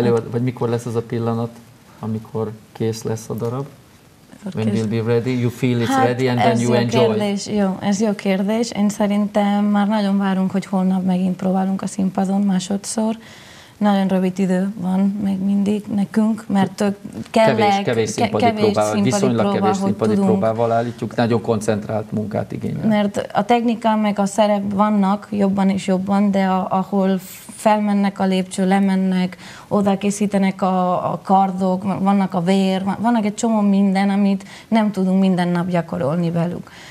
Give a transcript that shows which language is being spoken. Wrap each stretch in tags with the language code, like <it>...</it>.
<hu>Vagy mikor lesz az a pillanat, amikor kész lesz a darab?</hu> <en>When will be ready, you feel it's ready and then you enjoy.</en> <hu>Kérdés. Jó, ez jó kérdés. Én szerintem már nagyon várunk, hogy holnap megint próbálunk a színpadon másodszor. Nagyon rövid idő van még mindig nekünk, mert kevés színpadi próbával állítjuk, nagyon koncentrált munkát igényel. Mert a technika meg a szerep vannak jobban és jobban, de ahol felmennek a lépcső, lemennek, oda készítenek a kardok, vannak a vér, vannak egy csomó minden, amit nem tudunk minden nap gyakorolni velük.</hu>